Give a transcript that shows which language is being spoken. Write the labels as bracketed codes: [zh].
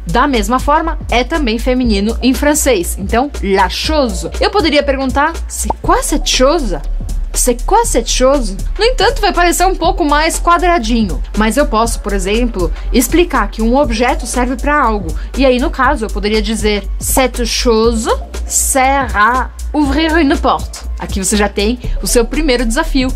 [pt] Da mesma forma, é também feminino em francês. Então, la chose. Eu poderia perguntar, [fr] c'est quoi cette chose? C'est quoi cette chose? [pt] No entanto, vai parecer um pouco mais quadradinho. Mas eu posso, por exemplo, explicar que um objeto serve para algo. E aí, no caso, eu poderia dizer [fr] cette chose sert à ouvrir une porte. [pt] Aqui você já tem o seu primeiro desafio.